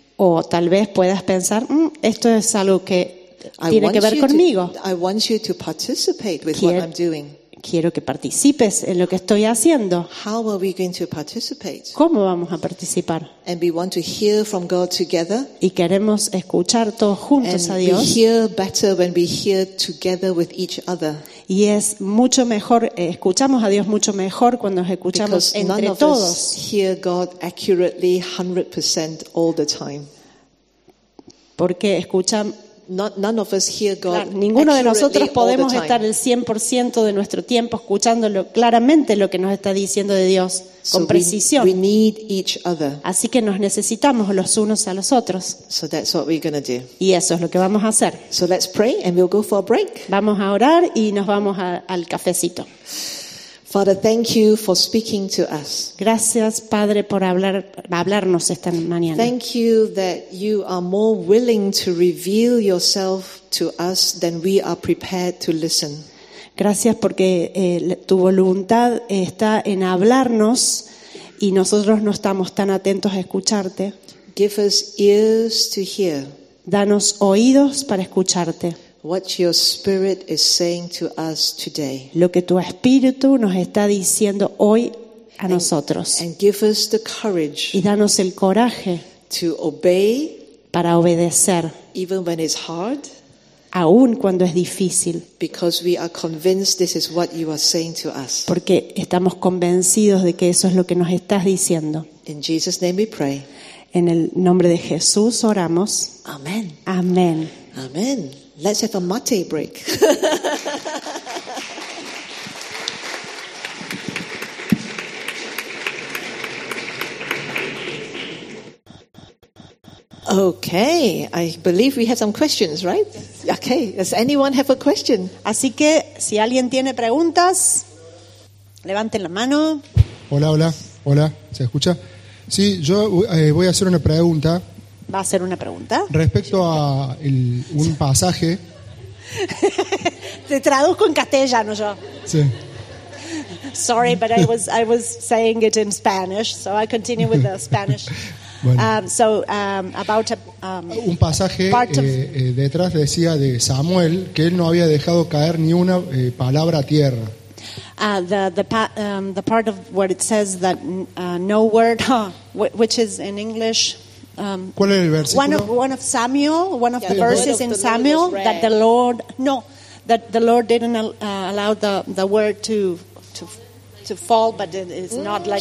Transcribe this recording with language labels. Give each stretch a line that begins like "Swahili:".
Spanish: O tal vez puedas pensar, esto es algo que tiene que ver conmigo.
English: I want you to participate with what I'm doing.
Spanish: Quiero que participes en lo que estoy haciendo.
English: How are we going to participate?
Spanish: ¿Cómo vamos a participar?
English: And we want to hear from God together.
Spanish: Y queremos escuchar todos juntos
English: and
Spanish: a Dios.
English: We hear better when we hear together with each other.
Spanish: Y es mucho mejor, escuchamos a Dios mucho mejor cuando nos escuchamos
English: because
Spanish: entre
English: none of
Spanish: todos.
English: Us hear God accurately 100% all the time.
Spanish: Porque escuchamos.
English: None of us hear God
Spanish: claro, ninguno de nosotros podemos estar el 100% de nuestro tiempo escuchándolo claramente lo que nos está diciendo de Dios con precisión.
English: We need each other.
Spanish: Así que nos necesitamos los unos a los otros.
English: So that's what we're gonna do.
Spanish: Y eso es lo que vamos a hacer.
English: So let's pray and we'll go for a break.
Spanish: Vamos a orar y nos vamos al cafecito.
English: Father, thank you for speaking to us.
Spanish: Gracias, Padre, por hablarnos esta mañana.
English: Thank you that you are more willing to reveal yourself to us than we are prepared to listen.
Spanish: Gracias porque tu voluntad está en hablarnos y nosotros no estamos tan atentos a escucharte.
English: Give us ears to hear.
Spanish: Danos oídos para escucharte.
English: What your spirit is saying to us today.
Spanish: Lo que tu espíritu nos está diciendo hoy a nosotros.
English: And give us the courage.
Spanish: Y danos el coraje.
English: To obey.
Spanish: Para obedecer.
English: Even when it's hard.
Spanish: Aun cuando es difícil.
English: Because we are convinced this is what you are saying to us.
Spanish: Porque estamos convencidos de que eso es lo que nos estás diciendo.
English: In Jesus' name we pray.
Spanish: En el nombre de Jesús oramos.
English: Amen.
Spanish: Amen.
English: Amen. Let's have a mate break. Okay, I believe we have some questions, right? Yes. Okay, does anyone have a question?
Spanish: Así que, si alguien tiene preguntas, levanten la mano. Hola, hola, hola, ¿se escucha? Sí, yo voy a hacer una pregunta. ¿Va a hacer una pregunta? Respecto a un pasaje. Te traduzco en castellano yo. Sí.
English: Sorry, but I was saying it in Spanish, so I continue with the Spanish.
Spanish: Bueno.
English: About a,
Spanish: un pasaje
English: a part of...
Spanish: detrás decía de Samuel que él no había dejado caer ni una palabra a tierra.
English: The part of where it says that no word, which is in English.
Spanish: ¿Cuál es el versículo?
English: One of Samuel, one of the verses the in Samuel that the Lord no, that the Lord didn't allow the word to fall, but it is not like